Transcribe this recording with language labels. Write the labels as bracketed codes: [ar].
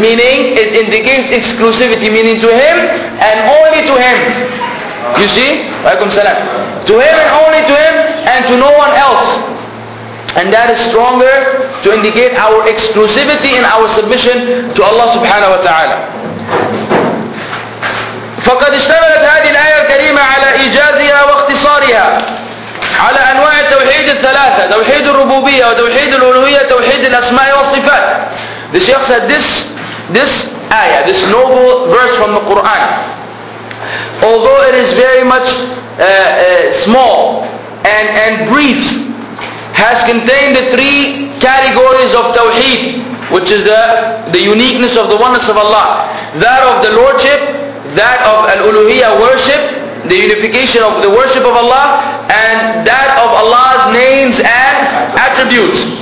[en] Meaning, it indicates exclusivity, meaning to him and only to him. You see? Alaykum salam. To him and only to him and to no one else. And that is stronger to indicate our exclusivity and our submission to Allah subhanahu wa ta'ala. [ar] فقد اشتملت هذه الآية الكريمة على إيجازها واختصارها على أنواع التوحيد الثلاثة, توحيد الربوبية وتوحيد الألوهية وتوحيد الأسماء والصفات. [en] The Shaykh said this آية, this noble verse from the Quran, although it is very much small and brief, has contained the three categories of tawheed, which is the uniqueness of the oneness of Allah, that of the Lordship, that of al-uluhiyya worship, the unification of the worship of Allah, and that of Allah's names and attributes.